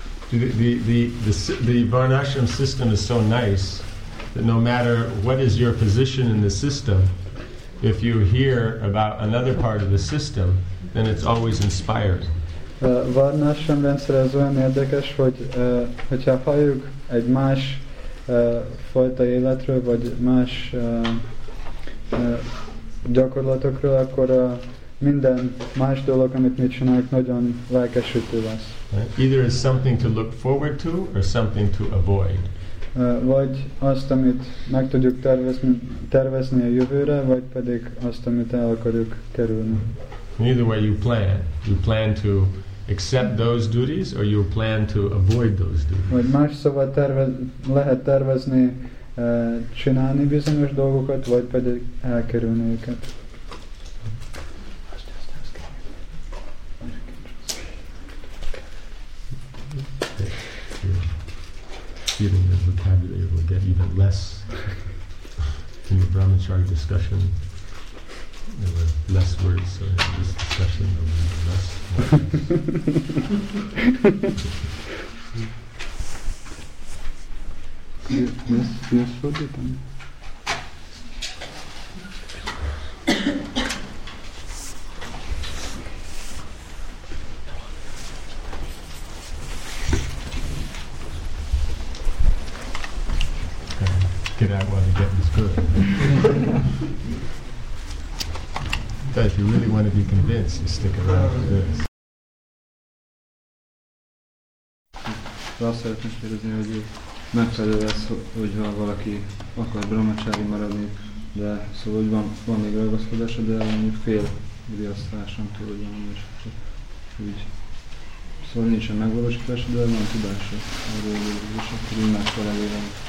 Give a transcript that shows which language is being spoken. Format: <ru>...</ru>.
<en>The Varnashram system is so nice that no matter what is your position in the system, if you hear about another part of the system, then it's always inspired.</en> <hu>Varnashram rendszer az olyan érdekes, hogy hogyha halljuk egy más fajta életről, vagy más gyakorlatokról, akkor minden más dolog, amit mi csináljuk, nagyon lelkesítő lesz.</hu> <en>Right. Either is something to look forward to or something to avoid.</en> <hu>Vagy azt, amit meg tudjuk tervezni a jövőre, vagy pedig azt, amit el akarjuk kerülni.</hu> <en>Either way you plan. You plan to accept those duties or you plan to avoid those duties.</en> <hu>Vagy más szóval lehet tervezni csinálni bizonyos dolgokat, vagy pedig elkerülni őket.</hu> <en>Feeling the vocabulary will get even less in the brahmacharya discussion. There were less words, so in this discussion there were even less words. Yes, yes, yes, that while the getting's good. So if you really want to be convinced, you stick around for this.</en> <hu>Azt szeretném kérdezni, hogy megfelelő lesz, hogyha valaki akar brahmacsári maradni, de szóval hogy van még ragaszkodása, de mondjuk fél griasztrásan túl, hogy van, és úgy. Szóval nincsen megvalósítása, de van tudása, és akkor így megfelelő van.</hu>